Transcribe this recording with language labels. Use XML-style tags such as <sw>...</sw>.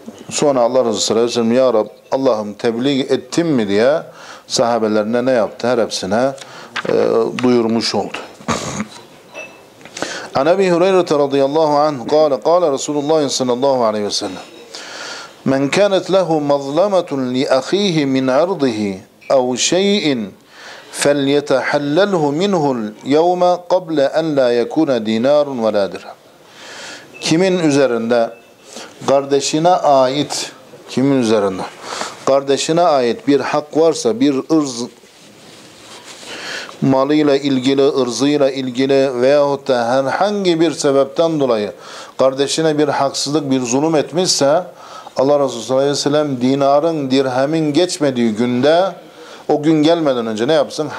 <tr>Sonra Allah Resulü sallallahu aleyhi ve sellem: "Ya Rab, Allah'ım tebliğ ettim mi?" diye sahabelerine ne yaptı? Her hepsine duyurmuş oldu.</tr> <ar>An Ebi Hureyre radıyallahu anh قال: قال رسول الله صلى الله عليه وسلم: من كانت له مظلمة لأخيه من عرضه أو شيء فليتحلله منه اليوم قبل أن لا يكون دينار ولا درهم.</ar> <tr>Kimin üzerinde kardeşine ait, kimin üzerinde kardeşine ait bir hak varsa, bir ırz malıyla ilgili, ırzıyla ilgili veyahut da herhangi bir sebepten dolayı kardeşine bir haksızlık, bir zulüm etmişse, Allah Resulü sallallahu aleyhi ve sellem dinarın, dirhemin geçmediği günde, o gün gelmeden önce ne yapsın?</tr>